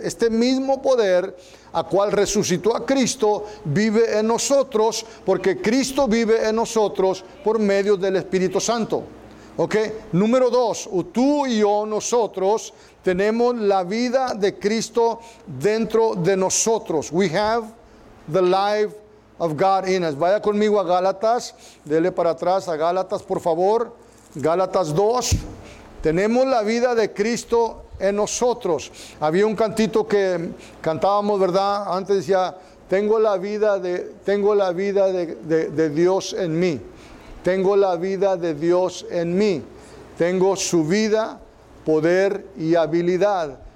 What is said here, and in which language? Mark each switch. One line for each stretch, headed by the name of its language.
Spanish: Este mismo poder a cual resucitó a Cristo vive en nosotros, porque Cristo vive en nosotros por medio del Espíritu Santo. Ok, número dos, tú y yo, nosotros tenemos la vida de Cristo dentro de nosotros.
English: We have the life of God in us.
Spanish: Vaya conmigo a Gálatas, dele para atrás a Gálatas, por favor. Gálatas 2, tenemos la vida de Cristo en nosotros. Había un cantito que cantábamos, ¿verdad? Antes decía, tengo la vida de Dios en mí. Tengo la vida de Dios en mí. Tengo su vida, poder y habilidad.